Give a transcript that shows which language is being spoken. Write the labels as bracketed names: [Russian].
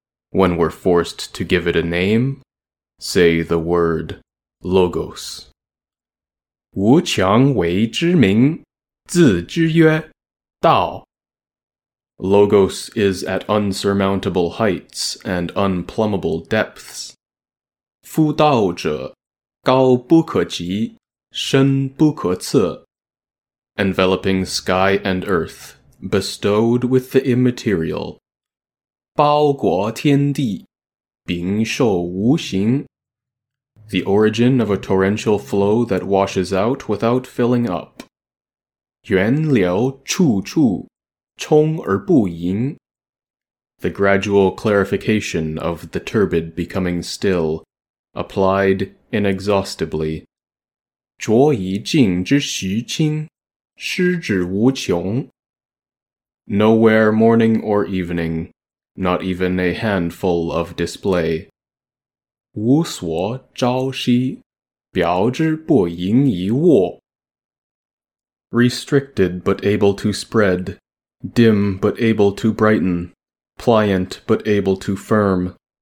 [English] When we're forced to give it a name, say the word logos. [Chinese] 无强为之名, 自知曰, 道. [English] Logos is at unsurmountable heights and unplumbable depths. [Chinese] 夫道者, 高不可及, 深不可测. [English] Enveloping sky and earth, bestowed with the immaterial. [Chinese] 包裹天地, 禀受无形. [English] The origin of a torrential flow that washes out without filling up. [Chinese] 源流处处.冲而不盈. [English] The gradual clarification of the turbid becoming still, applied inexhaustibly. [Chinese] 浊以静之徐清, 施之无穷. [English] Nowhere morning or evening, not even a handful of display. [Chinese] 无所朝夕, 表之不盈一握. [English] Restricted but able to spread. Dim but able to brighten, pliant but able to firm.